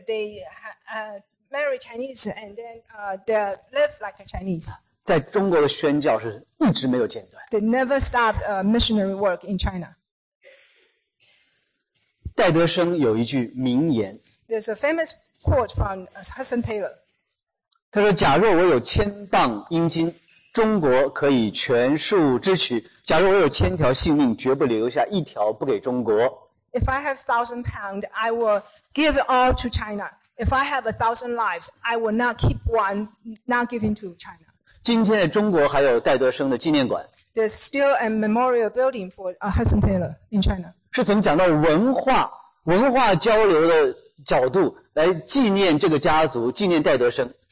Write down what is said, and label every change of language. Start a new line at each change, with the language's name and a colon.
English: They marry Chinese and then they live like a Chinese.
Chinese: 在中国的宣教是一直没有间断。
English: They never stopped missionary work in China.
Chinese: 戴德生有一句名言。
English: There's a famous quote from Hudson Taylor.
Chinese: 他说：“假若我有千磅英金，中国可以全数支取；假若我有千条性命，绝不留下一条不给中国。”
English: If I have 1,000 pounds, I will give it all to China. If I have 1,000 lives, I will not keep one, not giving to China.
Chinese: 今天的中国还有戴德生的纪念馆。
English: There's still a memorial building for Hudson Taylor in China.
Chinese: 是怎么讲到文化交流的角度来纪念这个家族，纪念戴德生。